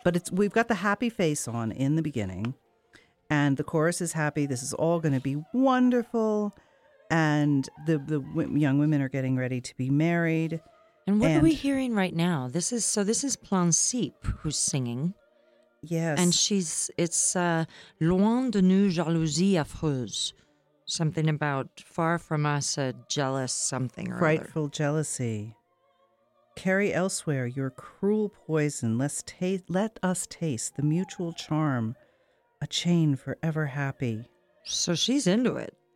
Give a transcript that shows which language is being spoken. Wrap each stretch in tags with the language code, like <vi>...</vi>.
<en>But we've got the happy face on in the beginning. And the chorus is happy. This is all going to be wonderful. And the young women are getting ready to be married. And what are we hearing right now? This is Plancipe who's singing. Yes. And it's</en> <fr>loin de nous jalousie affreuse.</fr> <en>Something about far from us a jealous something or other. Frightful jealousy. Carry elsewhere your cruel poison. Let us taste the mutual charm, a chain forever happy. So she's into it.</en>